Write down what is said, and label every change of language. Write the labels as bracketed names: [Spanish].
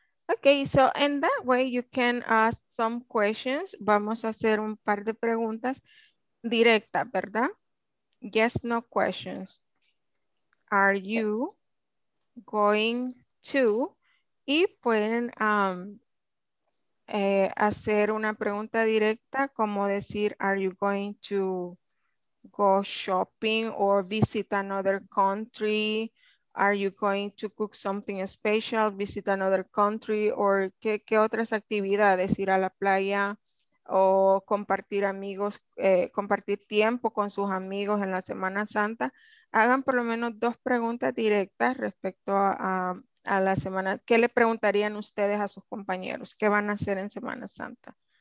[English] Okay, so in that way you can ask some questions. [Spanish] Vamos a hacer un par de preguntas directas, ¿verdad? [English] Yes, no questions. Are you going to, [Spanish] y pueden hacer una pregunta directa, como decir, [English] are you going to go shopping or visit another country? Are you going to cook something special, visit another country? [Spanish] Or qué otras actividades, ir a la playa o compartir amigos, compartir tiempo con sus amigos en la Semana Santa. Hagan por lo menos dos preguntas directas respecto a la semana. ¿Qué le preguntarían ustedes a sus compañeros? ¿Qué van a hacer en Semana Santa?